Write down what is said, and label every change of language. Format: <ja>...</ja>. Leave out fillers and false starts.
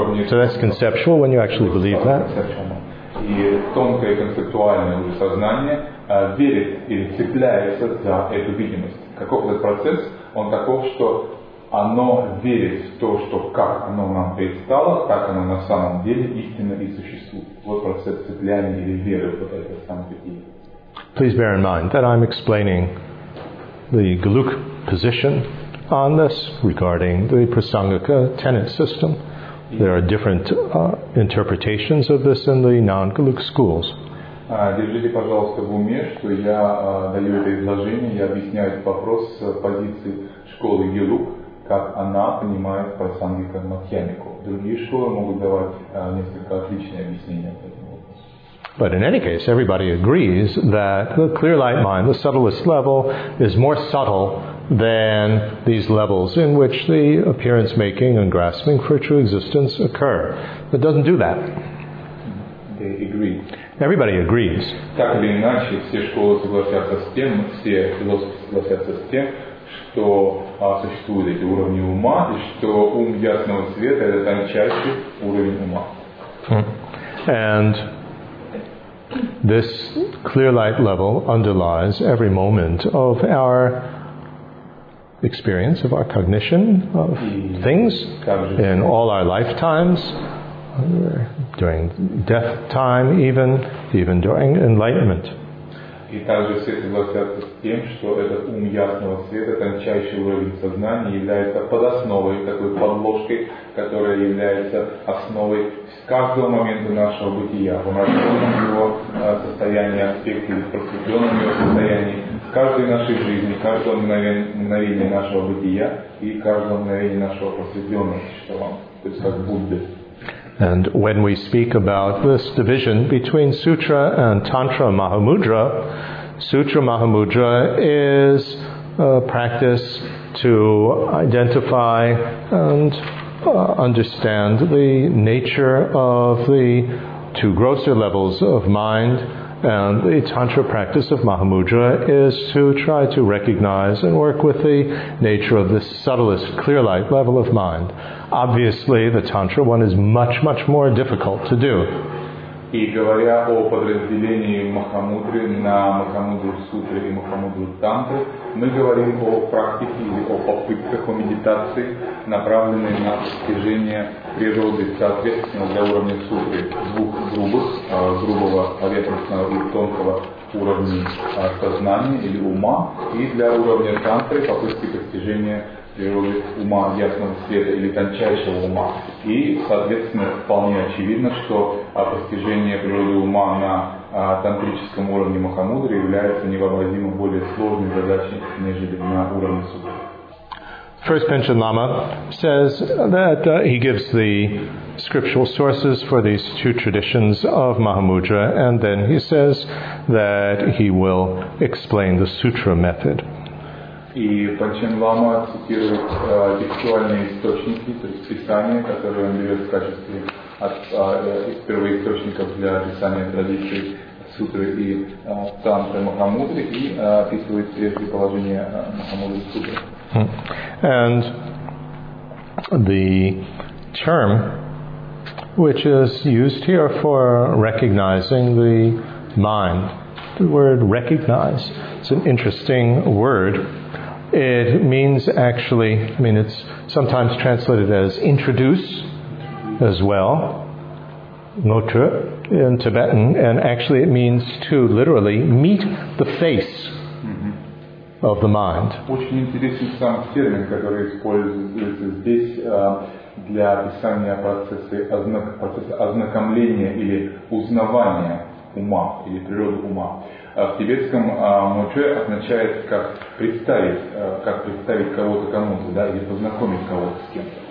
<en>So that's conceptual when you actually believe that.</en> <ru>И тонкое концептуальное уже сознание верит или цепляется за эту видимость. Каков этот процесс? Он таков, что оно верит в то, что как оно нам предстало, так оно на самом деле истинно и существует. Вот процесс цепляния или веры в это самобытие.</ru> <en>Please bear in mind that I'm explaining the Galuk position on this regarding the Prasangika tenet system. There are different interpretations of this in the non-Galuk schools.</en> <ru>Держите, пожалуйста, в уме, что я даю это изложение, я объясняю этот вопрос с позиции школы Гелук, как она понимает Прасангика Матхьямику. Другие школы могут давать несколько отличные объяснения по этому вопросу.</ru> <en>But in any case, everybody agrees that the clear light mind, the subtlest level, is more subtle than these levels in which the appearance making and grasping for true existence occur. It doesn't do that. They agree. Everybody agrees.</en> <ru>Так или иначе, все школы согласятся с тем, все философы согласятся с тем, что существуют эти уровни ума, и что ум ясного света — это тончайший уровень ума.</ru> <en>And This clear light level underlies every moment of our experience, of our cognition of things in all our lifetimes, during death time even during enlightenment.</en> <ru>И также все согласятся с тем, что этот ум ясного света, тончайший уровень сознания, является подосновой, такой подложкой, которая является основой каждого момента нашего бытия, в нашем его состоянии, аспекте, в просветленном его состоянии, в каждой нашей жизни, каждого мгновения нашего бытия и каждого мгновения нашего просветленного существования, то есть как Будды.</ru> <en>And when we speak about this division between Sutra and Tantra Mahamudra, Sutra Mahamudra is a practice to identify and understand the nature of the two grosser levels of mind, and the Tantra practice of Mahamudra is to try to recognize and work with the nature of the subtlest clear light level of mind. Obviously, the Tantra one is much, much more difficult to do.</en> <ru>И говоря о подразделении Махамудры на Махамудру Сутры и Махамудру Тантры, мы говорим о практике или о попытках, о медитации, направленной на достижение природы, соответственно, для уровня Сутры двух грубых, грубого поверхностного и тонкого уровня сознания или ума, и для уровня Тантры попытки достижения природы ума ясного света или тончайшего ума. И, соответственно, вполне очевидно, что постижение природы ума на тантрическом уровне Махамудры является невообразимо более сложной задачей, нежели на уровне Сутры.</ru> <en>First Panchen Lama says that he gives the scriptural sources for these two traditions of Mahamudra, and then he says that he will explain the sutra method.</en> <ru>И Панчен Лама цитирует текстуальные источники, то есть писание, которое он берет в качестве первоисточников для описания традиции сутры и тантры Махамудры, и описывает прежде положение Махамудры сутры.</ru> <en>And the term which is used here for recognizing the mind, the word recognize, it's an interesting word. It means actually, I mean, it's sometimes translated as introduce as well, notre in Tibetan, and actually it means to literally meet the face of the mind.</en> <ru>Очень интересен сам термин, который используется здесь для описания процесса ознакомления или узнавания ума, или природы ума. В тибетском мочуэ означает как представить кого-то кому-то, да, или познакомить кого-то с кем-то.</ru>